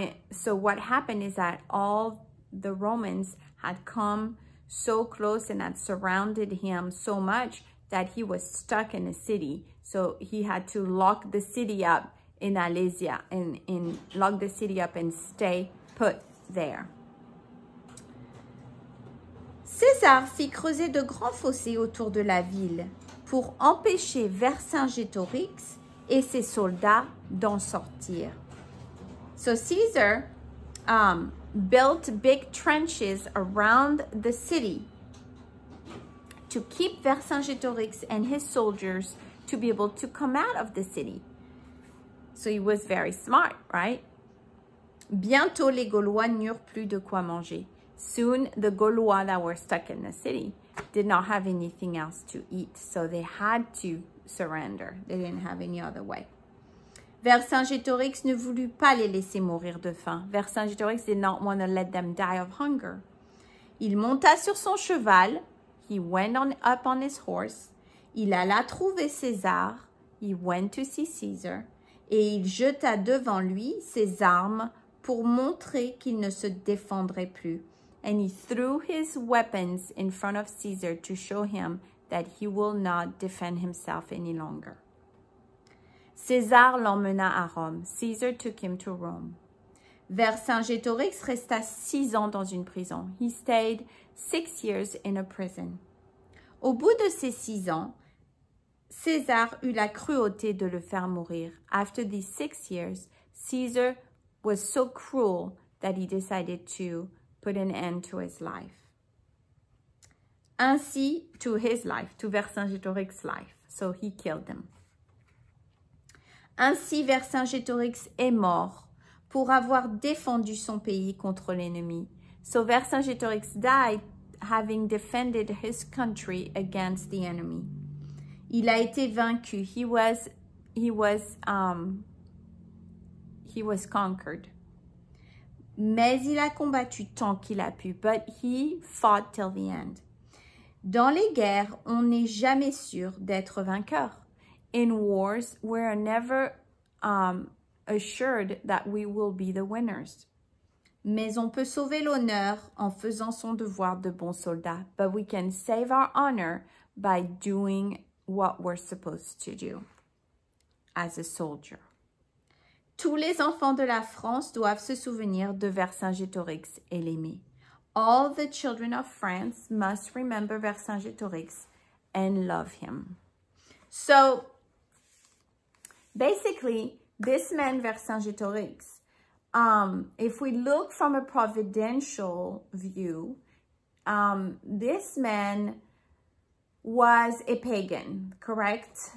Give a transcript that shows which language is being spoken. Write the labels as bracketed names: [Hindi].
[English] So what happened is that all the Romans had come so close and had surrounded him so much that he was stuck in the city. So he had to lock the city up in Alesia and lock the city up and stay put there. [French] César fit creuser de grands fossés autour de la ville pour empêcher Vercingétorix et ses soldats d'en sortir. [English] So César built big trenches around the city to keep Vercingétorix and his soldiers to be able to come out of the city. So he was very smart, right? [French] Bientôt les Gaulois n'eurent plus de quoi manger. [English] Soon the Gaulois that were stuck in the city did not have anything else to eat, so they had to surrender. They didn't have any other way. [French] Vercingétorix ne voulut pas les laisser mourir de faim. [English] Vercingétorix did not want to let them die of hunger. [French] Il monta sur son cheval. [English] He went on up on his horse. [French] Il alla trouver César. [English] He went to see César. [French] Et il jeta devant lui ses armes pour montrer qu'il ne se défendrait plus. [English] And he threw his weapons in front of César to show him that he will not defend himself any longer. [French] César l'emmena à Rome. [English] César took him to Rome. [French] Vercingétorix resta 6 ans dans une prison. [English] He stayed 6 years in a prison. [French] Au bout de ces 6 ans, César eut la cruauté de le faire mourir. [English] After these 6 years, César was so cruel that he decided to put an end to his life. Ainsi, to his life, to Vercingétorix's life. So he killed him. [French] Ainsi, Vercingétorix est mort pour avoir défendu son pays contre l'ennemi. [English] So Vercingétorix died having defended his country against the enemy. [French] Il a été vaincu. [English] He was conquered. [French] Mais il a combattu tant qu'il a pu. [English] But he fought till the end. [French] Dans les guerres, on n'est jamais sûr d'être vainqueur. [English] In wars, we're never assured that we will be the winners. [French] Mais on peut sauver l'honneur en faisant son devoir de bon soldat. [English] But we can save our honor by doing what we're supposed to do as a soldier. [French] Tous les enfants de la France doivent se souvenir de Vercingétorix et l'aimer. [English] All the children of France must remember Vercingétorix and love him. So, basically, this man Vercingétorix, if we look from a providential view, this man was a pagan, correct?